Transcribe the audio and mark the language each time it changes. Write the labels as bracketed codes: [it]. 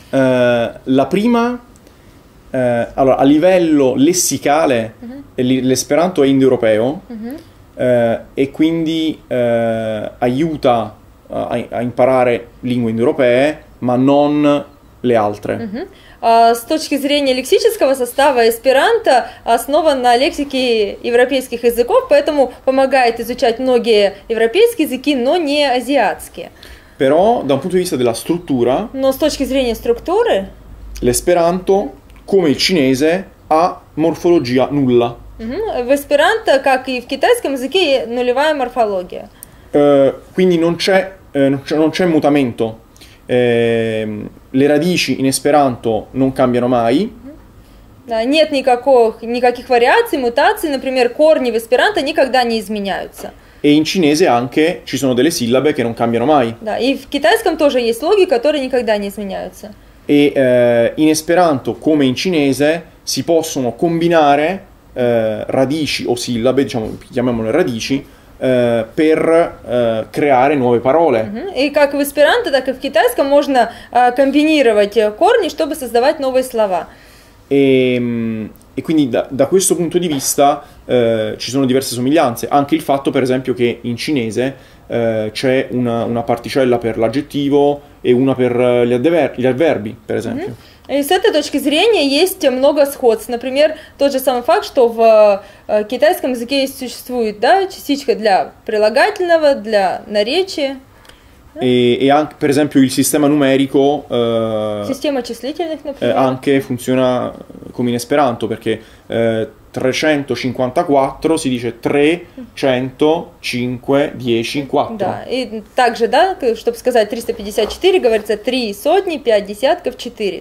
[it] La prima, allora, a livello lessicale, l'esperanto è indoeuropeo, e quindi aiuta a imparare lingue indoeuropee, ma non le altre. [ru] С точки зрения лексического состава, эсперанто основан на лексике европейских языков, поэтому помогает изучать многие европейские языки, но не азиатские. [it] Però, da un punto di vista della struttura, [ru] но с точки зрения структуры, [it] l'esperanto, come il cinese, ha morfologia nulla. [ru] В эсперанто, как и в китайском языке, нулевая морфология. [it] Quindi non c'è mutamento. Le radici in esperanto non cambiano mai. [ru] Да, нет никаких вариаций, мутаций, например, корни в эсперанто никогда не изменяются. [it] E in cinese anche ci sono delle sillabe che non cambiano mai. [ru] Да, и в китайском тоже есть логи, которые никогда не изменяются. [it] E in esperanto, come in cinese, si possono combinare radici o sillabe, diciamo, chiamiamole radici, per creare nuove parole. [ru] И как в эсперанто, так и в китайском можно комбинировать корни, чтобы создавать новые слова. [it] E quindi da questo punto di vista ci sono diverse somiglianze. Anche il fatto, per esempio, che in cinese c'è una particella per l'aggettivo e una per gli avverbi, per esempio. [ru] И с этой точки зрения есть много сходств. Например, тот же самый факт, что в китайском языке существует, да, частичка для прилагательного, для наречия. [it] E anche, per esempio, il sistema numerico. [ru] Система числительных, например. [it] Anche funziona come in esperanto, perché 354 si dice 3, 105, 10, 4. [ru] Да, и также, да, чтобы сказать 354, говорится 3 сотни, 5 десятков, 4.